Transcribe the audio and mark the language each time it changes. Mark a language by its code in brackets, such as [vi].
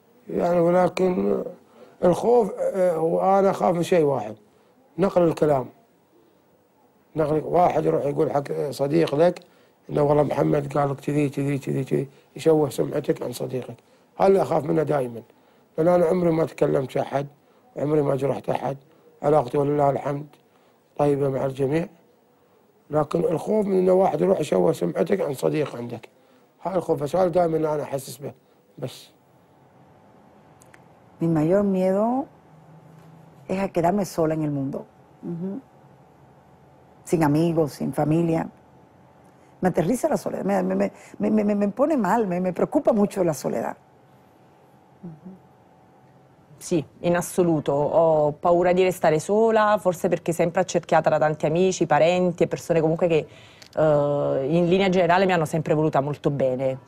[ar] يعني ولكن الخوف وانا اخاف من شيء واحد نقل الكلام نقل واحد يروح يقول حق صديق لك انه والله محمد قال لك كذي كذي كذي كذي يشوه سمعتك عن صديقك هل اخاف منه دائما لان انا عمري ما تكلمت احد عمري ما جرحت احد علاقتي ولله الحمد طيبه مع الجميع لكن الخوف من انه واحد يروح يشوه سمعتك عن صديق عندك هذا الخوف بس هذا دائما انا احسس به بس [es] Mi mayor miedo es a quedarme sola en el mundo, sin amigos, sin familia. Me aterriza la soledad, me pone mal, me preocupa mucho la soledad. [it] Sì, in assoluto. Ho paura di restare sola, forse perché sempre accerchiata da tanti amici, parenti e persone comunque che in linea generale mi hanno sempre voluta molto bene.